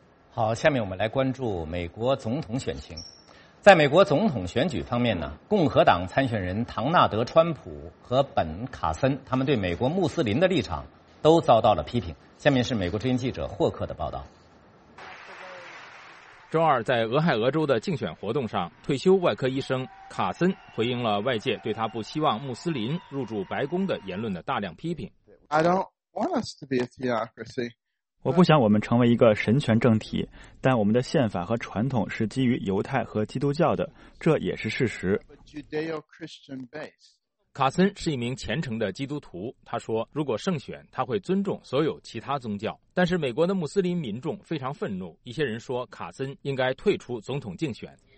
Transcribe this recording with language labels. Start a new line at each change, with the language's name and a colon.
Chinese: 好，下面我们来关注美国总统选情。在美国总统选举方面呢，共和党参选人唐纳德·川普和本·卡森，他们对美国穆斯林的立场都遭到了批评。下面是美国之音记者霍克的报道。周二在俄亥俄州的竞选活动上，退休外科医生卡森回应了外界对他不希望穆斯林入住白宫的言论的大量批评。
English: I don't want us to be a theocracy.
Chinese: 我不想我们成为一个神权政体，但我们的宪法和传统是基于犹太和基督教的，这也是事实。卡森是一名虔诚的基督徒，他说如果胜选，他会尊重所有其他宗教。但是美国的穆斯林民众非常愤怒，一些人说卡森应该退出总统竞选。